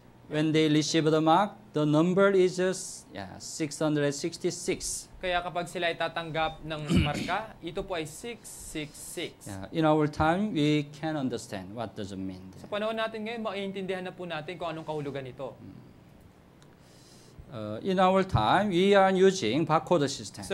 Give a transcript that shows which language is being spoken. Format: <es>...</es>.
<en>When they receive the mark, the number is 666.</en> <tl>Kaya kapag sila ay tatanggap ng marka, ito po ay 666.</tl> <en>Yeah. In our time, we can understand what does it mean.</en> <tl>Sa panahon natin ngayon, maiintindihan na po natin kung anong kahulugan ito.</tl> <en>In our time, we are using barcode system.</en>